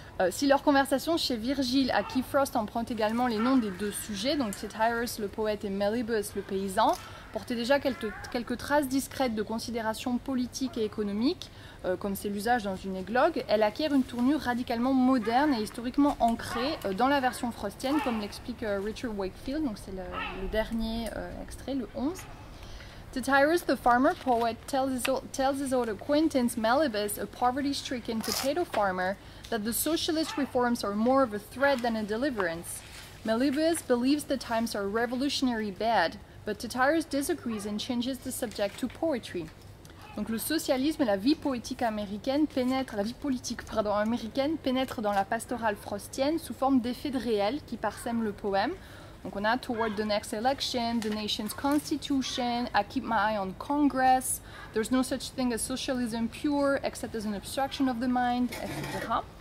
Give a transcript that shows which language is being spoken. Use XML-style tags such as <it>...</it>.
<fr>Si leur conversation chez Virgile, à qui Frost emprunte également les noms des deux sujets, donc Tityrus le poète et Melibœus le paysan, portait déjà quelques traces discrètes de considérations politiques et économiques, comme c'est l'usage dans une églogue, elle acquiert une tournure radicalement moderne et historiquement ancrée dans la version frostienne, comme l'explique Richard Wakefield, donc c'est le dernier extrait, le 11.</fr> <en>Tityrus, the farmer poet, tells his old acquaintance Melibœus, a poverty-stricken potato farmer, that the socialist reforms are more of a threat than a deliverance. Melibœus believes the times are revolutionary bad, But Tatarus disagrees and changes the subject to poetry.</en> <fr>Donc le socialisme et la vie poétique américaine pénètrent, la vie politique pardon, américaine pénètre dans la pastorale frostienne sous forme d'effets de réel qui parsèment le poème. Donc on a</fr> <en>Toward the next election, the nation's constitution, I keep my eye on Congress, there's no such thing as socialism pure except as an obstruction of the mind, etc.</en>